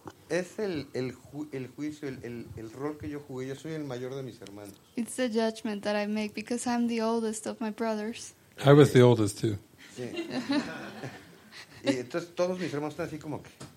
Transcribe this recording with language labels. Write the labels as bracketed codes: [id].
[es] Es el juicio, el rol que yo jugué. Yo soy el mayor de mis hermanos. [en] It's the judgment that I make because I'm the oldest of my brothers. I was the oldest too. [es] Y entonces todos mis hermanos están así como que...